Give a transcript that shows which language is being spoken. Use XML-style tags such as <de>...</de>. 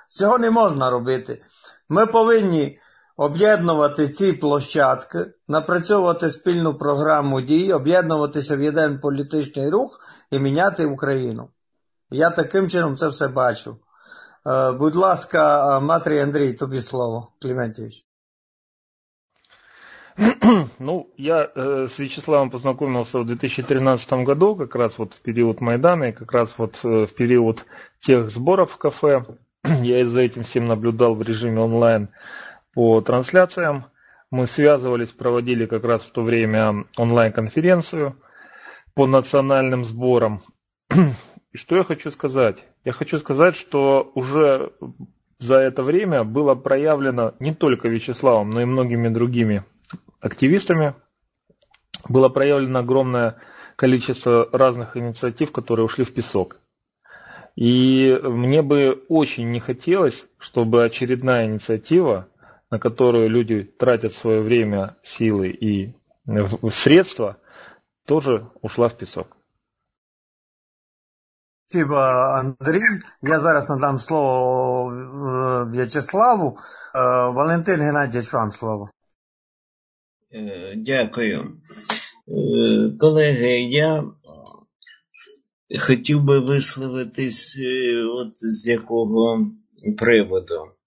<uk>Цього не можна робити. Ми повинні об'єднувати ці площадки, напрацьовувати спільну програму дій, об'єднуватися в єдиний політичний рух і міняти Україну. Я таким чином це все бачу. Будь ласка, Матрій Андрій, тобі слово, Клементьович.</uk> <ru>Ну, я с Вячеславом познакомился в 2013 году, как раз вот в период Майдана и как раз вот в период тех сборов в кафе. Я за этим всем наблюдал в режиме онлайн по трансляциям. Мы связывались, проводили как раз в то время онлайн-конференцию по национальным сборам. И что я хочу сказать? Я хочу сказать, что уже за это время было проявлено не только Вячеславом, но и многими другими активистами, было проявлено огромное количество разных инициатив, которые ушли в песок. И мне бы очень не хотелось, чтобы очередная инициатива, на которую люди тратят свое время, силы и средства, тоже ушла в песок.</ru> <uk>Спасибо, Андрій. Я зараз надам слово В'ячеславу. Валентин Геннадійович, вам слово. Дякую. Колеги, я хотів би висловитись от з якого приводу.</uk>